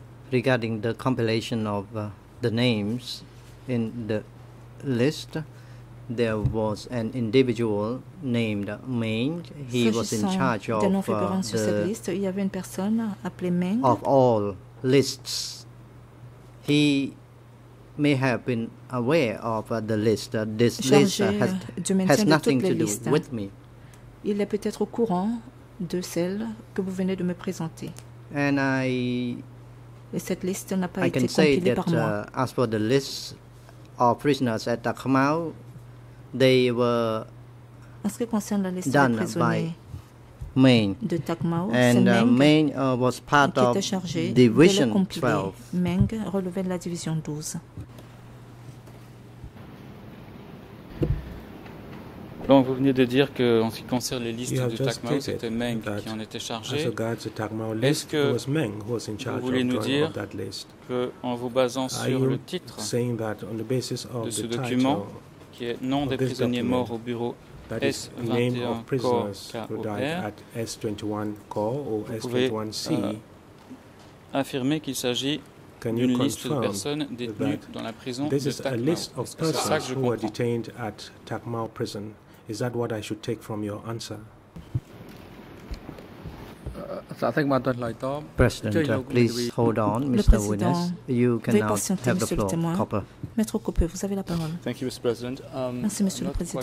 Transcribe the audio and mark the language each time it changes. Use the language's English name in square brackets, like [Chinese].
[English] Regarding the compilation of the names in the list, there was an individual named Meng. He was in charge of of all lists. He may have been aware of the list. This list has nothing to do with me. [French] Il est peut-être au courant de celle que vous venez de me présenter. [English] And I, [French] et cette liste n'a pas été compilée par moi. [English] As for the list of prisoners at Dakmau, they were [French] en ce qui concerne la liste des prisonniers de Dakmau, [English] and [French] c'est [English] Meng was part [French] qui était chargé [English] of division [French] de la compiler. Meng relevait de la division 12. Donc vous venez de dire que en ce qui concerne les listes de Takmao, c'était Meng qui en était chargé. Est-ce que vous voulez nous dire que en vous basant sur le titre de ce document qui est Nom des prisonniers morts au bureau S21 COR, vous pouvez affirmer qu'il s'agit d'une liste de personnes détenues dans la prison de Takmao? C'est ça que je comprends. [English] Is that what I should take from your answer? President, please hold on, Mr. Witness. You can now have the floor. Copper. [French] Maître Copper, vous avez la parole. [English] Thank you, Mr. President. [French] Merci, Monsieur le Président.